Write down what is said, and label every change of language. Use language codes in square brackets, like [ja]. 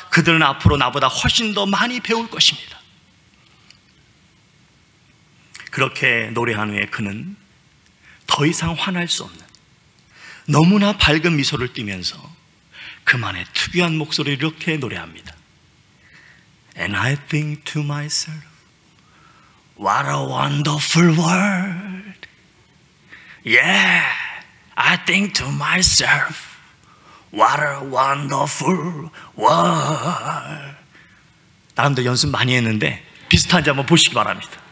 [ko] 그들은 앞으로 나보다 훨씬 더 많이 배울 것입니다. 그렇게 노래한 후에 그는 더 이상 화날 수 없는 너무나 밝은 미소를 띠면서 그만의 특유한 목소리로 이렇게 노래합니다. [en] And I think to myself, what a wonderful world. Yeah, I think to myself, what a wonderful world. [ko] 나름대로 연습 많이 했는데 비슷한지 한번 보시기 바랍니다.